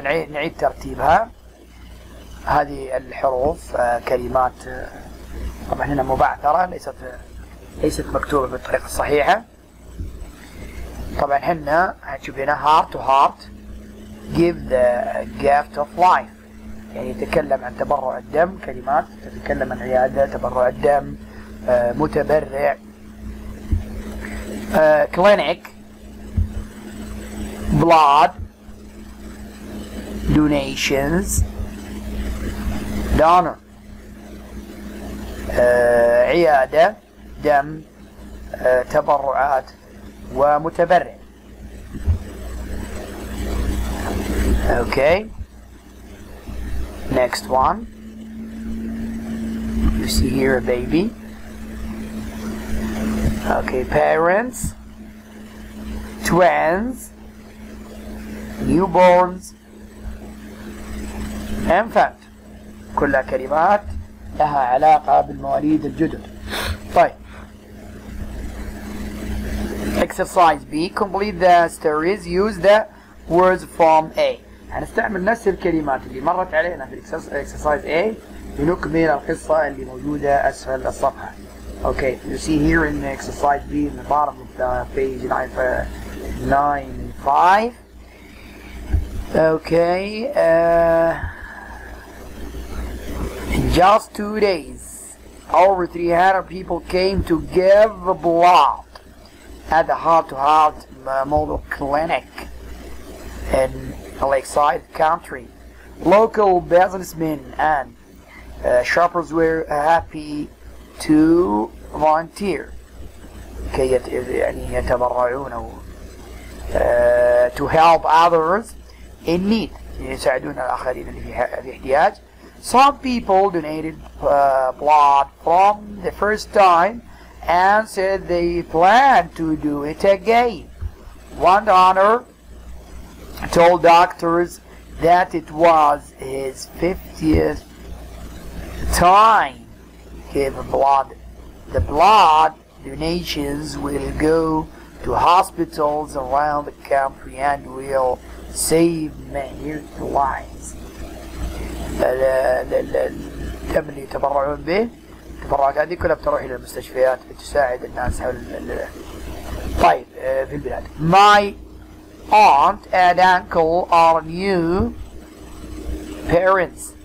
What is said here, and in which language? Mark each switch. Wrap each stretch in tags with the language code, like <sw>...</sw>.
<ar>نعيد ترتيبها. هذه الحروف كلمات طبعا هنا مبعثرة، ليست مكتوبة بالطريقة الصحيحة. طبعا حنا هنشوف هنا</ar> <en>heart to heart give the gift of life،</en> <ar>يعني يتكلم عن تبرع الدم، كلمات تتكلم عن عيادة، تبرع الدم، متبرع.</ar> <en>clinic blood donations donor</en> <ar>عيادة دم تبرعات ومتبرع.</ar> <en>Okay, next one. You see here a baby. Okay, parents, twins, newborns, infant.</en> <ar>كل كلمات لها علاقة بالمواليد الجدد. طيب.</ar> <en>Exercise B. Complete the stories. Use the words from A.</en> <ar>هنستعمل نفس الكلمات اللي مرت علينا في exercise A لنكمل القصة اللي موجودة أسفل الصفحة.</ar> <en>Okay, you see here in exercise B in the bottom of the page 95. Okay, in just 2 days, over 300 people came to give blood at the heart-to-heart model clinic in Lakeside Country. Local businessmen and shoppers were happy to volunteer.</en> <ar>كي يعني يتبرعون أو</ar> <en>to help others in need.</en> <ar>يساعدون الآخرين اللي في احتياج.</ar> <en>Some people donated blood from the first time and said they plan to do it again. One donor told doctors that it was his 50th time give blood. The blood donations will go to hospitals around the country and will save many lives.</en> <ar>الدم اللي يتبرعون به، التبرعات هذه كلها بتروح الى المستشفيات بتساعد الناس حول طيب في البلاد.</ar> <en>My aunt and uncle are new parents.</en>